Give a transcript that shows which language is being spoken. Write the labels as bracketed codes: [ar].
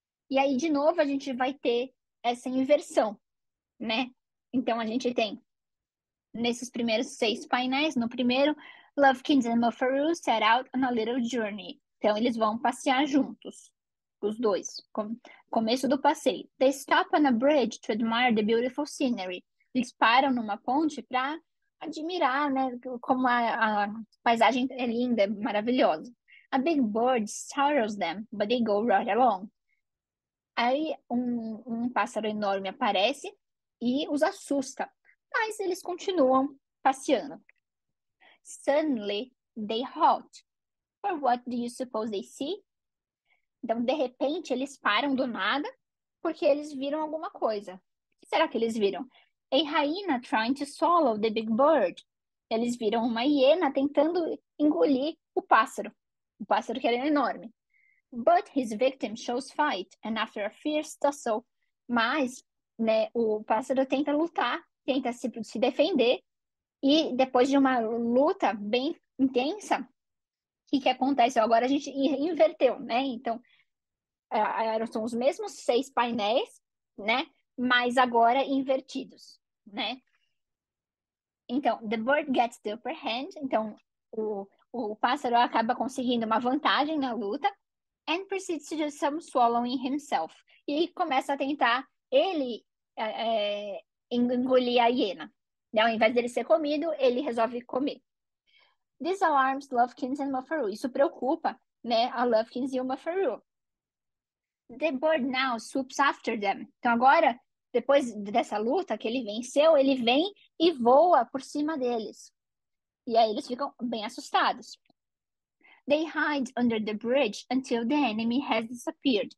[pt] E aí, de novo, a gente vai ter essa inversão, né? Então, a gente tem nesses primeiros seis painéis: no primeiro, [en] "Lufkins and Muffaroo set out on a little journey." [pt] Então, eles vão passear juntos, os dois, começo do passeio. [en] "They stop on a bridge to admire the beautiful scenery." [pt] Eles param numa ponte para admirar, né, como a paisagem é linda, é maravilhosa. [en] "A big bird startles them, but they go right along." [pt] Aí, um pássaro enorme aparece e os assusta, mas eles continuam passeando. [en] "Suddenly, they halt. For what do you suppose they see?" [pt] Então, de repente, eles param do nada porque eles viram alguma coisa. O que será que eles viram? [en] "A hyena trying to swallow the big bird." [pt] Eles viram uma hiena tentando engolir o pássaro que era enorme. [en] "But his victim shows fight, and after a fierce tussle." [pt] Mas, né, o pássaro tenta lutar, tenta se defender. E depois de uma luta bem intensa, o que que acontece? Agora a gente inverteu, né? Então, são os mesmos seis painéis, né? Mas agora invertidos, né? Então, [en] "the bird gets the upper hand." [pt] Então, o pássaro acaba conseguindo uma vantagem na luta. [en] "And proceeds to do some swallowing himself." [pt] E começa a tentar ele engolir a hiena. Ao invés dele ser comido, ele resolve comer. [en] "This alarms Lufkins and Muffaroo." [pt] Isso preocupa, né, a Lufkins e o Muffaroo. [en] "The bird now swoops after them." [pt] Então, agora, depois dessa luta que ele venceu, ele vem e voa por cima deles. E aí eles ficam bem assustados. [en] "They hide under the bridge until the enemy has disappeared."